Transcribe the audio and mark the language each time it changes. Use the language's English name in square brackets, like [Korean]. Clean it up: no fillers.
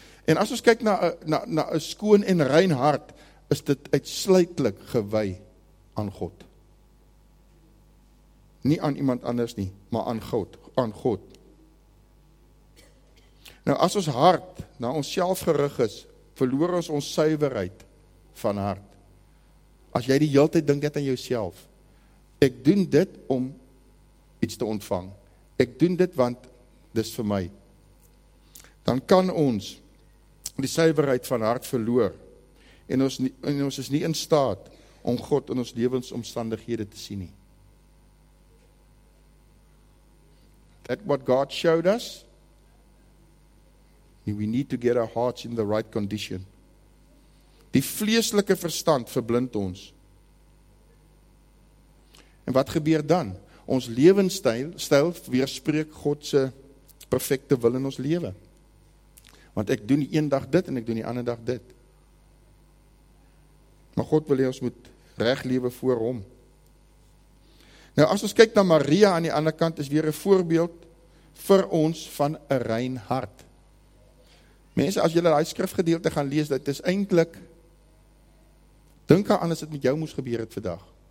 [Afrikaans] En as ons kyk na 'n skoon en rein hart, is dit uitsluitlik gewy aan God. Nie aan iemand anders nie, maar aan God. Aan God. Nou, as ons hart na ons self gerig is, verloor ons ons suiwerheid van hart. As jy die hele tyd dink net aan jouself, ek doen dit om iets te ontvang. Ek doen dit want dis vir my. Dan kan ons die suiwerheid van hart verloor en ons is nie in staat om God in ons lewensomstandighede te sien nie. [English] That what God showed us, we need to get our hearts in the right condition. [Afrikaans] Die vleeslike verstand verblind ons. En wat gebeur dan? Ons lewensstyl weerspreek God se perfekte wil in ons lewe. Want ek doen die een dag dit en ek doen die ander dag dit. Maar God wil hê ons moet reg lewe voor hom. Nou as ons kyk na Maria aan die ander kant is weer 'n voorbeeld vir ons van 'n rein hart. Mense, as julle daai skrifgedeelte gaan lees, dit is eintlik dink aan as dit met jou moes gebeur het vandag.